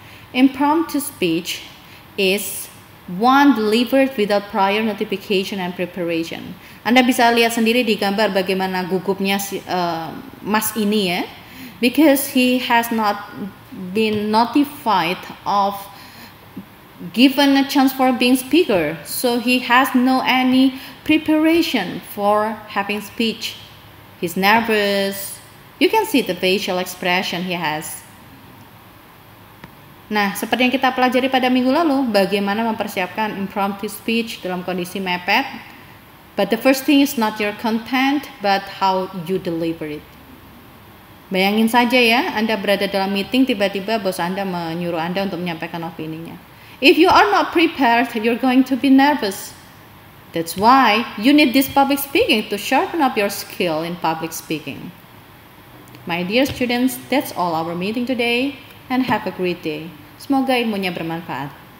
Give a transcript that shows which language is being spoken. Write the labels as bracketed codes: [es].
[en] Impromptu speech is one delivered without prior notification and preparation. [id] Anda bisa lihat sendiri di gambar bagaimana gugupnya mas ini ya. [en] Because he has not been notified of given a chance for being speaker. So he has no any preparation for having speech. He's nervous. You can see the facial expression he has. [id] Nah, seperti yang kita pelajari pada minggu lalu, bagaimana mempersiapkan impromptu speech dalam kondisi mepet. [en] But the first thing is not your content, but how you deliver it. [id] Bayangin saja ya, Anda berada dalam meeting, tiba-tiba bos Anda menyuruh Anda untuk menyampaikan opininya. [en] If you are not prepared, you're going to be nervous. That's why you need this public speaking to sharpen up your skill in public speaking. My dear students, that's all our meeting today. And have a great day. [id] Semoga ilmunya bermanfaat.